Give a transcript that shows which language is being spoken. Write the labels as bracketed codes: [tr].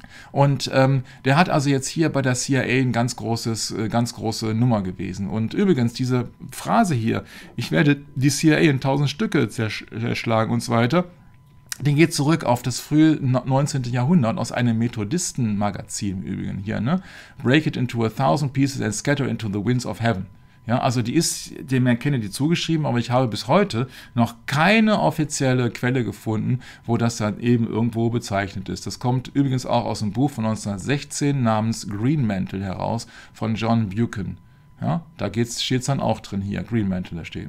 [de] Und der hat also jetzt hier bei der CIA ein ganz große Nummer gewesen. Und übrigens, diese Phrase hier, ich werde die CIA in 1000 Stücke zerschlagen und so weiter, den geht zurück auf das frühe 19. Jahrhundert aus einem Methodisten-Magazin im Übrigen hier. Ne? [en] Break it into 1000 pieces and scatter into the winds of heaven. [de] Ja, also die ist dem Herrn Kennedy zugeschrieben, aber ich habe bis heute noch keine offizielle Quelle gefunden, wo das dann eben irgendwo bezeichnet ist. Das kommt übrigens auch aus einem Buch von 1916 namens Greenmantle heraus von John Buchan. Ja, da steht es dann auch drin hier, Greenmantle, da steht.